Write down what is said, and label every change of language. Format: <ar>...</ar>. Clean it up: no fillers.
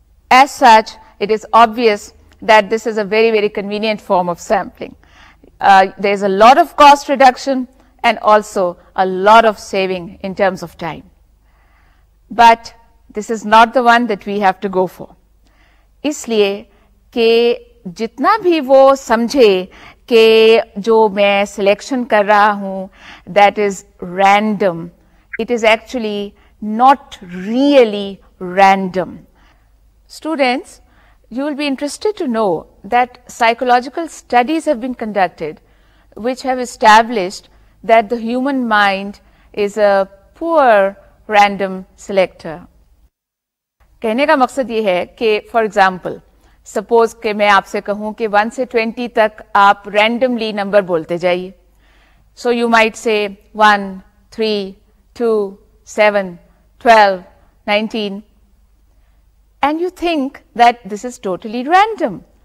<en>As such, it is obvious that this is a very, very convenient form of sampling. There is a lot of cost reduction and also a lot of saving in terms of time. But this is not the one that we have to go for.</en> <ur>اس لیے کہ جتنا بھی وہ سمجھے کہ جو میں selection کر رہا ہوں that is random.</ur> <en>It is actually not really random. Students, you will be interested to know that psychological studies have been conducted which have established that the human mind is a poor random selector.</en> <ur>کہنے کا مقصد یہ ہے کہ for example suppose کہ میں آپ سے کہوں کہ 1 سے 20 تک آپ رینڈملی نمبر بولتے جائیے.</ur> <en>So you might say 1, 3, 2, 7, 12, 19 and you think that this is totally random.</en>